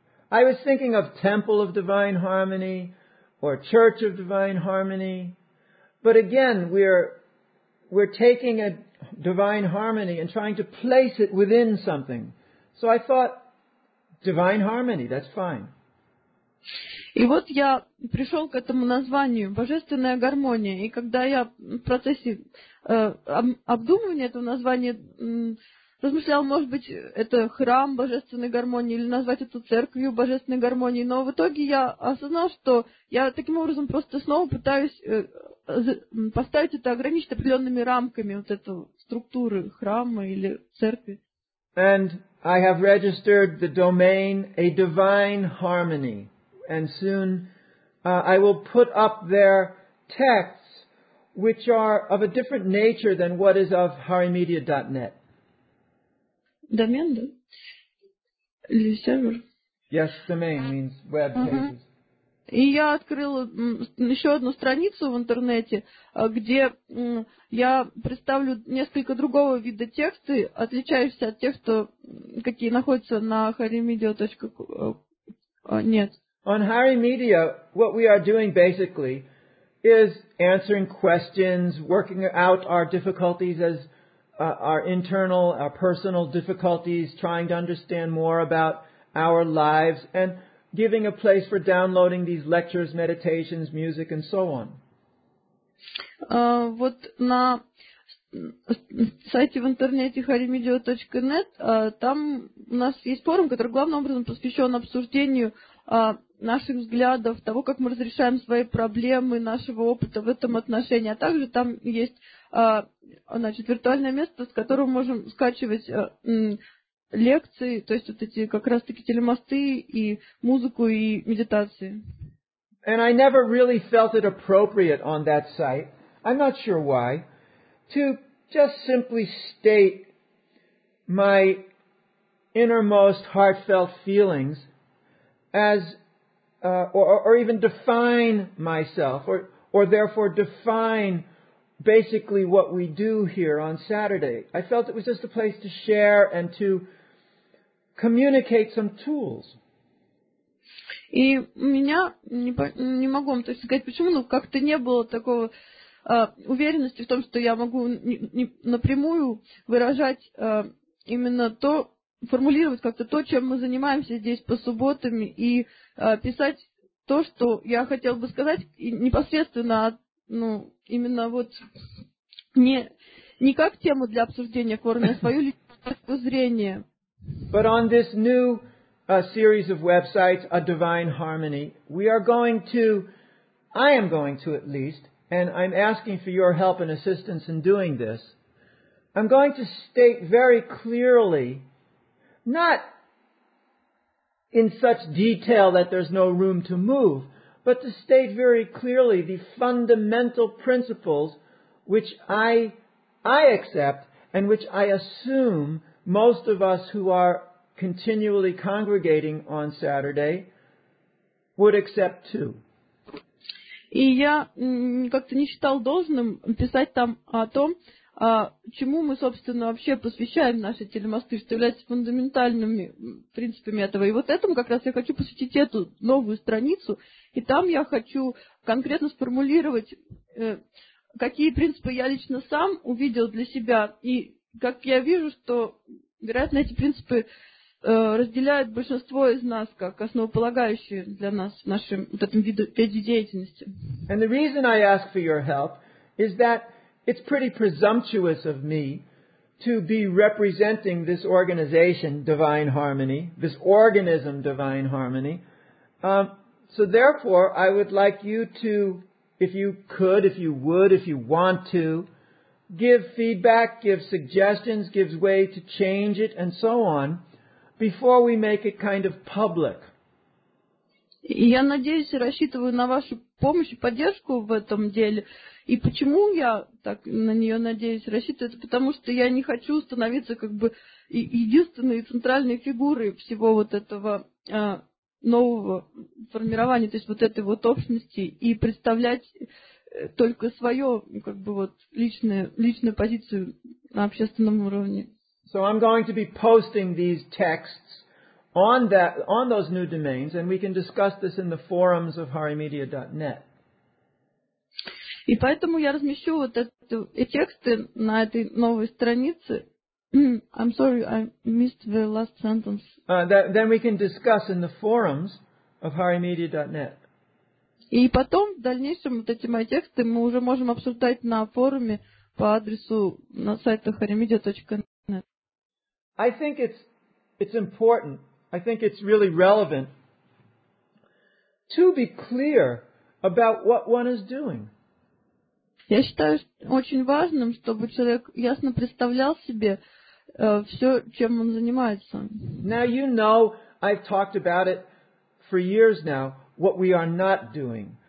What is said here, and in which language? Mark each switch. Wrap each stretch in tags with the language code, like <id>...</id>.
<en>I was thinking of Temple of Divine Harmony or Church of Divine Harmony, but again, we're taking a divine harmony and trying to place it within something. So I thought, divine harmony, that's fine.</en> <ru>И вот я пришел к этому названию «Божественная гармония». И когда я в процессе обдумывания этого названия размышлял, может быть, это храм божественной гармонии или назвать это церковью божественной гармонии, но в итоге я осознал, что я таким образом просто снова пытаюсь поставить это ограничить определенными рамками вот эту структуру храма или церкви.</ru> <en>And I have registered the domain a divine harmony, and soon I will put up there texts which are of a different nature than what is of harimedia.net.</en> <ru>Domain, да? Или сервер?</ru> <en>Yes, domain means web pages. Uh-huh.</en> <ru>И я открыла еще одну страницу в интернете, где я представлю несколько другого вида тексты, отличающиеся от тех, что какие находятся на harimedia.com. Нет.</ru> <en>On Harimedia, what we are doing basically is answering questions, working out our difficulties as our internal, our personal difficulties, trying to understand more about our lives and giving a place for downloading these lectures, meditations, music, and so on.</en> <ru>Вот на сайте в интернете harimedia.net там у нас есть форум, который главным образом посвящен обсуждению наших взглядов, того, как мы разрешаем свои проблемы, нашего опыта в этом отношении. А также там есть значит, виртуальное место, с которым мы можем скачивать лекции, то есть вот эти как раз-таки телемосты и музыку и медитации.</ru> <en>And I never really felt it appropriate on that site, I'm not sure why, to just simply state my innermost heartfelt feelings as or even define myself or therefore define basically what we do here on Saturday. I felt it was just a place to share and to communicate some tools.</en> <ru>И у меня не могу вам точно сказать почему, но как-то не было такого уверенности в том, что я могу напрямую выражать именно то, формулировать как-то то, чем мы занимаемся здесь по субботам, и писать то, что я хотел бы сказать и непосредственно, ну, именно вот не как тему для обсуждения, кроме свою личную точку зрения.</ru> <en>But on this new series of websites, A Divine Harmony, I am going to at least, and I'm asking for your help and assistance in doing this, I'm going to state very clearly, not in such detail that there's no room to move, but to state very clearly the fundamental principles which I accept and which I assume most of us who are continually congregating on Saturday would accept too.</en> <ru>И я как-то не считал должным писать там о том, чему мы, собственно, вообще посвящаем наши телемосты, что является фундаментальными принципами этого. И вот этому как раз я хочу посвятить эту новую страницу. И там я хочу конкретно сформулировать какие принципы я лично сам увидел для себя, и как я вижу, что, вероятно, эти принципы разделяют большинство из нас, как основополагающие для нас в нашем вот этом виде деятельности.</ru> <en>And the reason I ask for your help is that it's pretty presumptuous of me to be representing this organization, Divine Harmony, this organism, Divine Harmony. So therefore, I would like you to, if you could, if you would, if you want to, give feedback, give suggestions, give way to change it, and so on, before we make it kind of public.</en> <ru>Я надеюсь и рассчитываю на вашу помощь и поддержку в этом деле. И почему я так на нее надеюсь, рассчитываю, это потому что я не хочу становиться как бы единственной центральной фигурой всего вот этого нового формирования, то есть вот этой вот общности, и представлять только свое, как бы вот личную позицию на общественном уровне.</ru> <en>So I'm going to be posting these texts on that, on those new domains, and we can discuss this in the forums of HariMedia.net.</en> <ru>И поэтому я размещу вот эти тексты на этой новой странице.</ru> <en>I'm sorry, I missed the last sentence. Then we can discuss in the forums of HariMedia.net.</en> <ru>И потом в дальнейшем вот эти мои тексты мы уже можем обсуждать на форуме по адресу на сайте HariMedia.net.</ru> <en>I think it's important, I think it's really relevant to be clear about what one is doing.</en> <ru>Я считаю очень важным, чтобы человек ясно представлял себе все, чем он занимается.</ru> <en>Now you know, I've talked about it for years now, what we are not doing.</en>